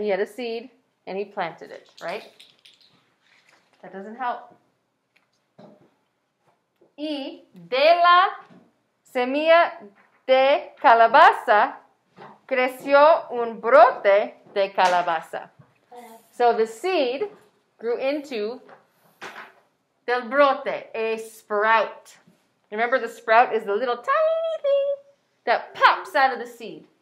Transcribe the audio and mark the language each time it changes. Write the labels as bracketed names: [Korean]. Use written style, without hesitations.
[English] He had a seed and he planted it, right? That doesn't help. [Spanish] Y de la semilla de calabaza creció un brote de calabaza. [English] So the seed grew into [Spanish] del brote, [English] a sprout. Remember, the sprout is the little tiny thing that pops out of the seed.